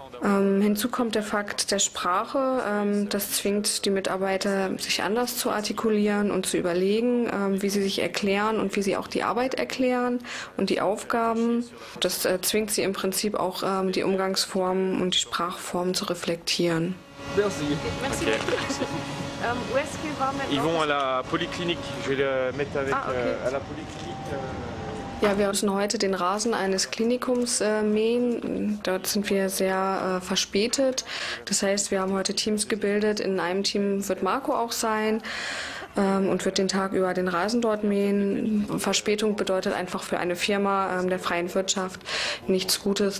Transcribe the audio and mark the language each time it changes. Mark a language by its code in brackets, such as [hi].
[de] Hinzu kommt der Fakt der Sprache. Das zwingt die Mitarbeiter, sich anders zu artikulieren und zu überlegen, wie sie sich erklären und wie sie auch die Arbeit erklären und die Aufgaben. Das zwingt sie im Prinzip auch, die Umgangsformen und die Sprachformen zu reflektieren. [fr] Merci. Okay. Où est-ce qu'ils vont maintenant? Ils vont à la polyclinique. Je vais le mettre avec à la polyclinique. [de] Ja, wir müssen heute den Rasen eines Klinikums mähen. Dort sind wir sehr verspätet. Das heißt, wir haben heute Teams gebildet. In einem Team wird Marco auch sein und wird den Tag über den Rasen dort mähen. Verspätung bedeutet einfach für eine Firma der freien Wirtschaft nichts Gutes.